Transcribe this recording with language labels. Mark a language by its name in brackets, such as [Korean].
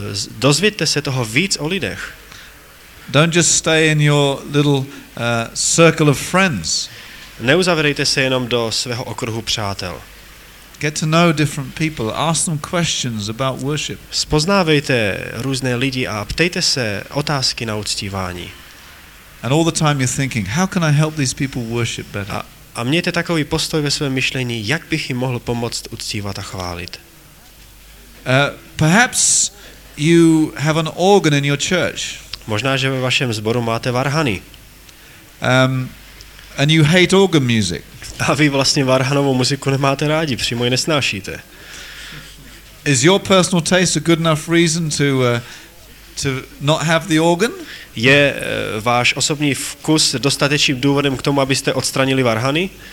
[Czech] Dozvěďte se toho víc o lidech. [English] Don't just stay in your little circle of friends. [Czech] Neuzavřete se jenom do svého okruhu přátel. [English] Get to know different people. Ask them questions about worship. [Czech] Spoznávejte různé lidi a ptejte se otázky na uctívání. [English] And all the time you're thinking, how can I help these people worship better? [Czech] A mějte takový postoj ve svém myšlení, jak bych jim mohl pomoct uctívat a chválit. [English] Perhaps you have an organ in your church. [Czech] Možná, že ve vašem sboru máte varhany. [English] And you hate organ music. [Czech] A vy vlastně varhanovou muziku nemáte rádi, přímo ji nesnášíte. [English] Is your personal taste a good enough reason to not have the organ? [Czech] Je váš osobní vkus dostatečným důvodem k tomu, abyste odstranili varhany?